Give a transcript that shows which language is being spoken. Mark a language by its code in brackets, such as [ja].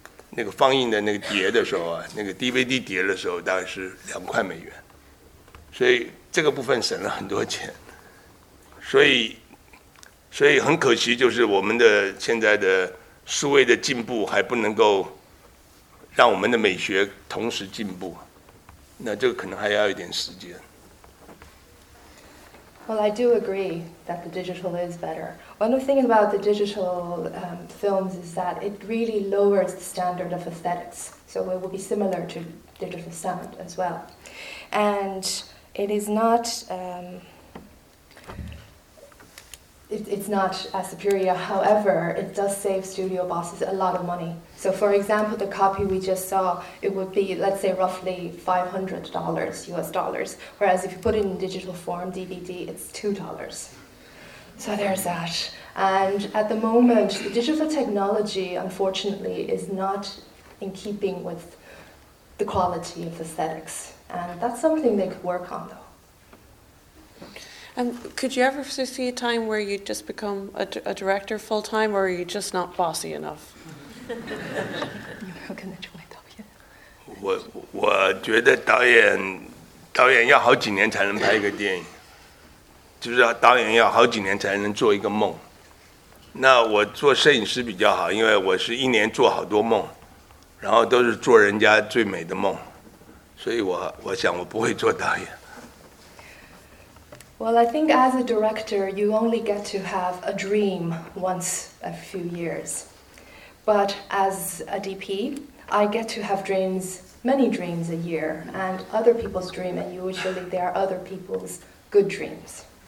[zh] 那个放映的那个碟的时候啊，那个 DVD 碟的时候大概是2块美元，所以这个部分省了很多钱，所以很可惜就是我们的现在的数位的进步还不能够让我们的美学同时进步，那这个可能还要一点时间。 [en] Well, I do agree that the digital is better. One of the things about the digital films is that it really lowers the standard of aesthetics. So it will be similar to digital sound as well. And it is not, it's not as superior. However, it does save studio bosses a lot of money. So for example, the copy we just saw, it would be, let's say, roughly $500 US dollars. Whereas if you put it in digital form, DVD, it's $2. So there's that. And at the moment, the digital technology, unfortunately, is not in keeping with the quality of aesthetics. And that's something they could work on, though. Could you ever foresee a time where you just become a director full time, or are you just not bossy enough? [zh] 有没有可能成为导演？我觉得导演要好几年才能拍一个电影，就是导演要好几年才能做一个梦。那我做摄影师比较好，因为我是一年做好多梦，然后都是做人家最美的梦，所以我想我不会做导演。 [en] Well, I think as a director, you only get to have a dream once a few years. But as a DP, I get to have dreams, many dreams a year, and other people's dreams, and usually they are other people's good dreams.